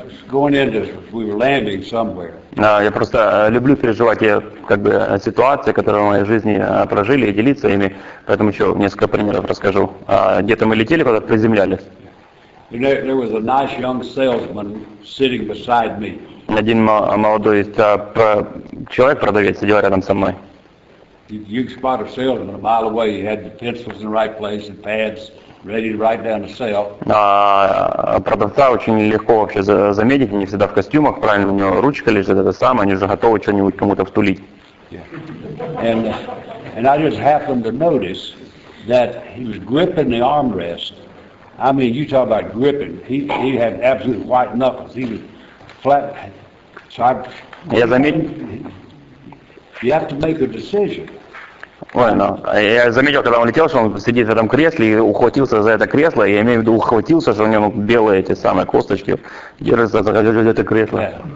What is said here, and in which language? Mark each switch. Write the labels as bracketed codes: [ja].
[en] We were landing somewhere. [ru] Я просто люблю переживать, как бы, ситуации, которые в моей жизни прожили, и делиться ими. Поэтому еще несколько примеров расскажу. Где-то мы летели, куда-то приземлялись. [en] There was a nice young salesman sitting beside me. [ru] Один молодой человек, продавец, сидел рядом со мной. [en] You could spot a salesman a mile away. He had the pencils in the right place and pads. Ready to write down the sale. [ru] Продавца очень легко вообще заметить, они всегда в костюмах, правильно, у него ручка лежит, это самое, они уже готовы что-нибудь кому-то втулить. [en] Yeah. And I just happened to notice that he was gripping the armrest. I mean, you talk about gripping. He had absolute white knuckles. He was flat. So I. [ru] Я заметил. [en] You have to make a decision. [ru] Я заметил, когда он летел, что он сидит в этом кресле и ухватился за это кресло, я имею в виду ухватился, что у него белые эти самые косточки держатся за это кресло.